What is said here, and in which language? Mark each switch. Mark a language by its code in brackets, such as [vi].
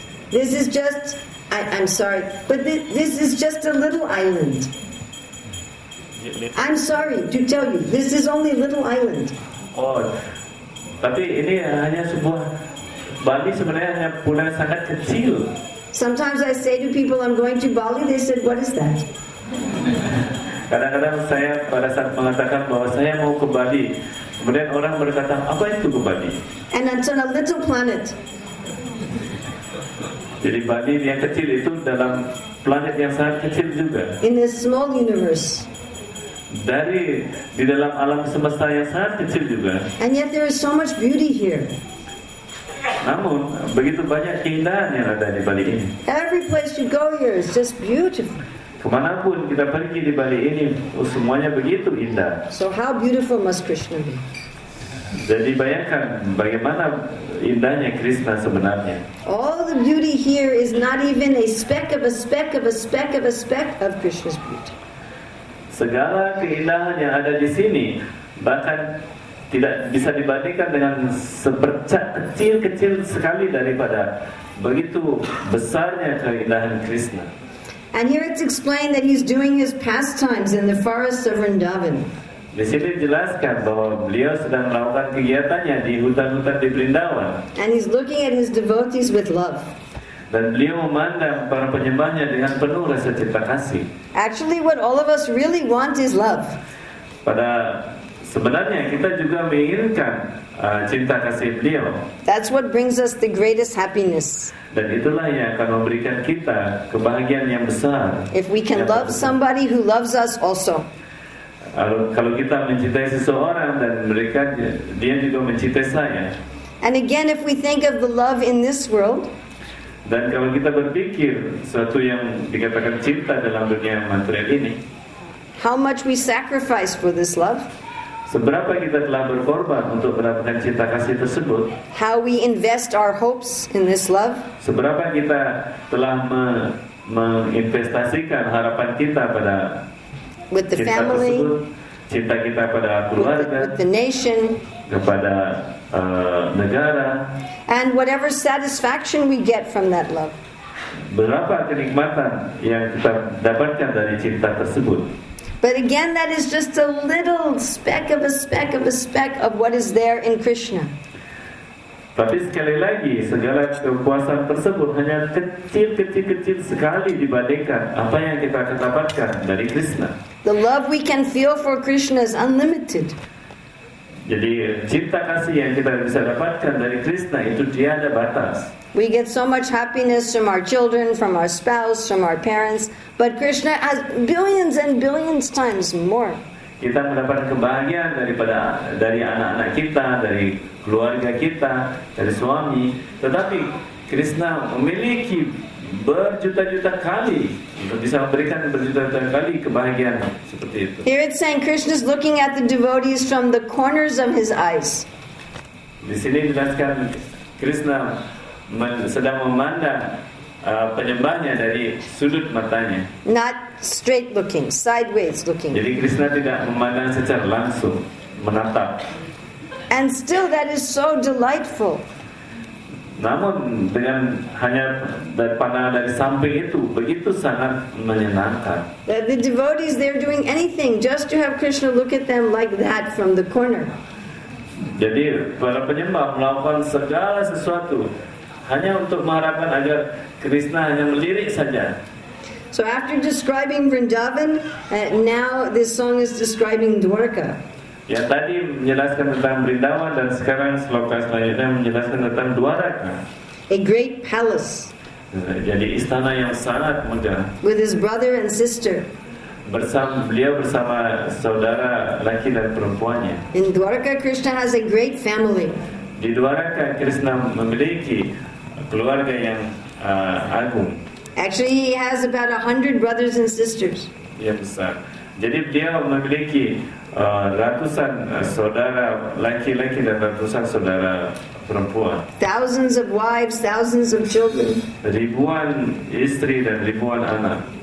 [en] This is just, I'm sorry, but this is just a little island. I'm sorry to tell you, this is only a little island. [id] Oh, tapi ini hanya sebuah, Bali sebenarnya hanya pulau sangat kecil. [en] Sometimes I say to people, I'm going to Bali, they said, what is that? [id] Kadang-kadang saya pada saat mengatakan bahwa saya mau ke Bali, kemudian orang berkata, apa itu ke Bali? [en] And it's on a little planet. [id] Jadi Bali yang kecil itu dalam planet yang sangat kecil juga. [en] In a small universe. [id] Dari di dalam alam semesta yang sangat kecil juga. [en] And yet there is so much beauty here. [id] Namun begitu banyak keindahan yang ada di Bali ini. [en] Every place you go here is just beautiful. [id] Kemanapun kita pergi di Bali ini, semuanya begitu indah. [en] So how beautiful must Krishna be? [id] Jadi bayangkan bagaimana indahnya Krishna sebenarnya. [en] All the beauty here is not even a speck of a speck of a speck of a speck of Krishna's beauty. [id] Segala keindahan yang ada di sini bahkan tidak bisa dibandingkan dengan sepercak kecil-kecil sekali daripada begitu besarnya keindahan Krishna. [en] And here it's explained that he's doing his pastimes in the forests of Vrindavan. [id] Di sini dijelaskan bahwa beliau sedang melakukan kegiatannya di hutan-hutan di Vrindavan. [en] And he's looking at his devotees with love. [id] Dan beliau memandang para penyembahnya dengan penuh rasa cinta kasih. [en] Actually, what all of us really want is love. [id] Pada sebenarnya kita juga menginginkan cinta kasih beliau. [en] That's what brings us the greatest happiness. [id] Dan itulah yang akan memberikan kita kebahagiaan yang besar. [en] If we can love somebody who loves us also. [id] Kalau kita mencintai seseorang dan mereka dia juga mencintai saya. [en] And again, if we think of the love in this world. [id] Dan kalau kita berpikir sesuatu yang dikatakan cinta dalam dunia material ini. [en] How much we sacrifice for this love? [id] Seberapa kita telah berkorban untuk mendapatkan cinta kasih tersebut? [en] How we invest our hopes in this love? [id] Seberapa kita telah menginvestasikan harapan kita pada [en] with the [id] cinta [en] family, [id] tersebut, cinta kita pada keluarga, [en] with the nation, [id] kepada negara, [en] and whatever satisfaction we get from that love. [id] Berapa kenikmatan yang kita dapatkan dari cinta tersebut? [en] But again, that is just a little speck of a speck of a speck of what is there in Krishna. [id] Tapi sekali lagi, segala kepuasan tersebut hanya kecil-kecil-kecil sekali dibandingkan apa yang kita akan dapatkan dari Krishna. [en] The love we can feel for Krishna is unlimited. [id] Jadi cinta kasih yang kita bisa dapatkan dari Krishna itu tiada batas. [en] We get so much happiness from our children, from our spouse, from our parents, but Krishna has billions and billions times more. [id] Kita mendapat kebahagiaan dari anak-anak kita, dari keluarga kita, dari suami, tetapi Krishna memiliki berjuta-juta kali, bisa memberikan berjuta-juta kali kebahagiaan seperti itu. [en] Here it's saying Krishna is looking at the devotees from the corners of his eyes. [id] Di sini dijelaskan Krishna sedang memandang penyembahnya dari sudut matanya. [en] Not straight looking, sideways looking. [id] Jadi Krishna tidak memandang secara langsung, menatap. [en] And still that is so delightful. [id] Namun dengan hanya pandangan dari samping itu begitu sangat menyenangkan. [en] The devotees, they're doing anything just to have Krishna look at them like that from the corner. [id] Jadi para penyembah melakukan segala sesuatu hanya untuk mengharapkan agar Krishna hanya melirik saja. [en] So after describing Vrindavan, now this song is describing Dwarka. [id] Ya, tadi menjelaskan tentang Vrindavan dan sekarang sloka selanjutnya menjelaskan tentang Dwarka. [en] A great palace. [id] Jadi istana yang sangat megah. [en] With his brother and sister. [id] Beliau bersama saudara laki dan perempuannya. [en] In Dwarka, Krishna has a great family. [id] Di Dwarka, Krishna memiliki keluarga yang agung. [en] Actually, he has about 100 brothers and sisters. [id] Ya, besar. Jadi beliau memiliki ratusan saudara laki-laki dan ratusan saudara perempuan. [en] Thousands of wives, thousands of children. [id] Ribuan istri dan ribuan anak.